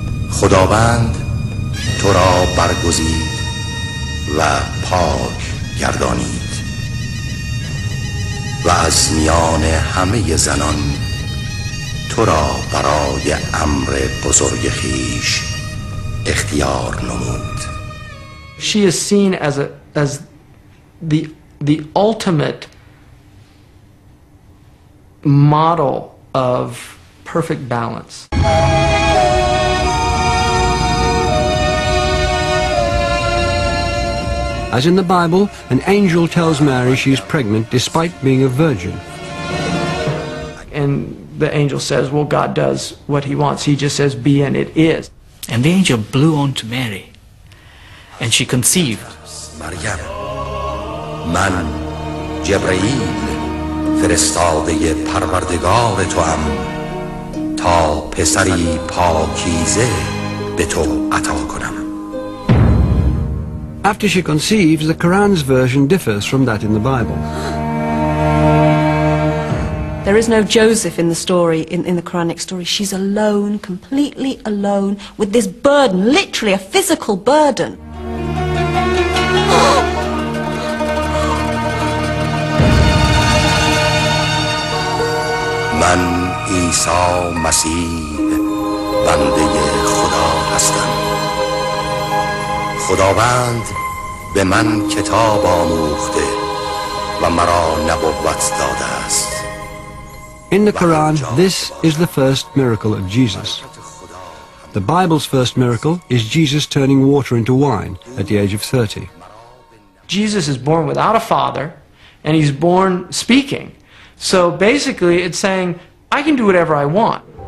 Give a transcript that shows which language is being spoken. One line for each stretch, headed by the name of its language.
Persian: خداوند تو را برگزید و پاک گردانید و از میان همه زنان تو را برای امر بزرگ خیش اختیار نمود.
English: She is seen as the ultimate model of perfect balance. As in the Bible, an angel tells Mary she is pregnant despite being a virgin. And the angel says, well, God does what he wants. He just says, be and it is. And the angel blew on to Mary, and she conceived.
Persian: Maryam, man, Jibreel, فرستاده پروردگار تو هم تا پسری پاکیزه به تو عطا کنم.
English: After she conceives, the Quran's version differs from that in the Bible. There is no Joseph in the story, in the Quranic story. She's alone, completely alone, with this burden, literally a physical burden.
Persian: من عیسی مسیح بنده خدا هستم. خداوند به من کتاب آموخته و مرا نبوت داده است.
English: In the Quran, this is the first miracle of Jesus. The Bible's first miracle is Jesus turning water into wine at the age of 30. Jesus is born without a father, and he's born speaking. So basically, it's saying, I can do whatever I want.